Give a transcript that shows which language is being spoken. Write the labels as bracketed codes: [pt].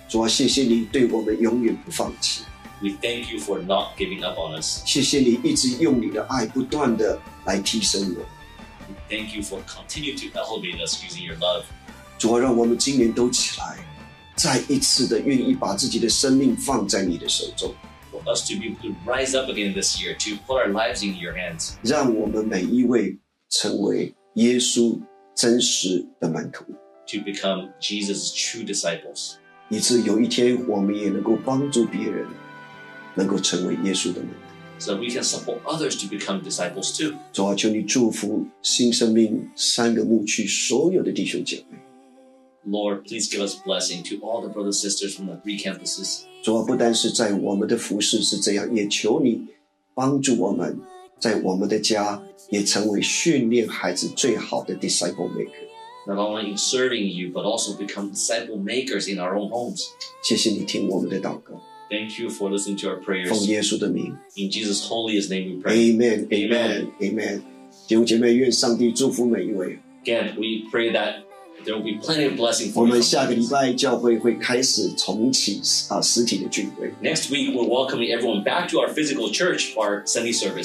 [zh] 主啊，谢谢你对我们永远不放弃。 [en] We thank you for not giving up on us. [zh] 谢谢你一直用你的爱不断的来提升我。 [en] Thank you for continuing to elevate us using your love. [zh] 主啊，让我们今年都起来，再一次的愿意把自己的生命放在你的手中。 [en] For us to be able to rise up again this year, to put our lives in your hands. [zh] 让我们每一位成为耶稣真实的门徒。 [en] To become Jesus' true disciples. [zh] 以致有一天我们也能够帮助别人，能够成为耶稣的门徒。 [en] So we can support others to become disciples too. [zh] 主啊，求你祝福新生命三个牧区所有的弟兄姐妹。 [en] Lord, please give us blessing to all the brothers and sisters from the three campuses. [zh] 主啊，不单是在我们的服事是这样，也求你帮助我们在我们的家也成为训练孩子最好的 disciple maker. [en] Not only in serving you, but also become disciple makers in our own homes. [zh] 谢谢你听我们的祷告。 [en] Thank you for listening to our prayers. [zh] 奉耶稣的名。 [en] In Jesus' holiest name we pray. Amen, amen, amen. [zh] 弟兄姐妹，愿上帝祝福每一位。 [en] Again, we pray that there will be plenty of blessing for [zh] you. 我们下个礼拜教会会开始重启实体的聚会。 [en] Next week, we're welcoming everyone back to our physical church for our Sunday service.